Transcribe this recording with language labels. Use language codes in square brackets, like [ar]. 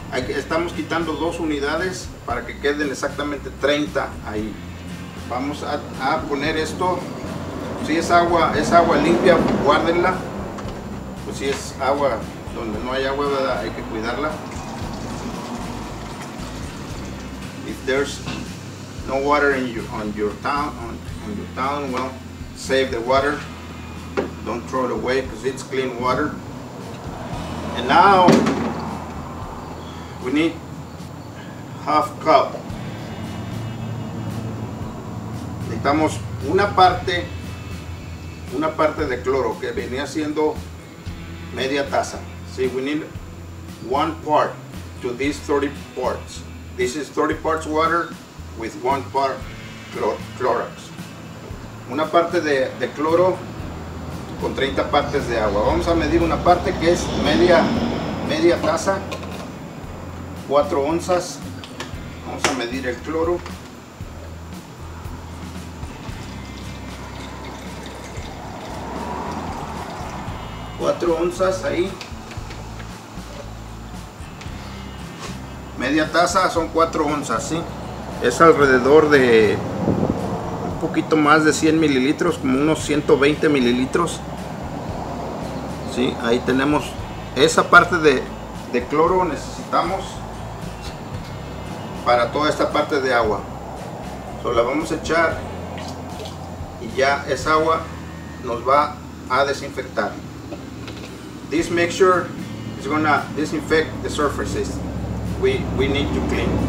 [es] Estamos quitando 2 unidades para que queden exactamente 30 ahí. Vamos a poner esto. Si es agua limpia, guárdenla. Pues si es agua donde no hay agua, ¿verdad? Hay que cuidarla. [en] If there's no water in your town, well, save the water. Don't throw it away because it's clean water. And now we need half cup. [es] Necesitamos una parte de cloro que venía siendo media taza. [en] See, we need one part to these 30 parts. This is 30 parts water with one part Clorox. [es] Una parte de cloro con 30 partes de agua. Vamos a medir una parte que es media taza, 4 onzas. Vamos a medir el cloro. Ahí. Media taza son 4 onzas, ¿sí? Es alrededor de un poquito más de 100 mililitros, como unos 120 mililitros. Sí, ahí tenemos esa parte de cloro necesitamos para toda esta parte de agua. So, la vamos a echar y ya esa agua nos va a desinfectar. [en] This mixture is gonna disinfect the surfaces we need to clean.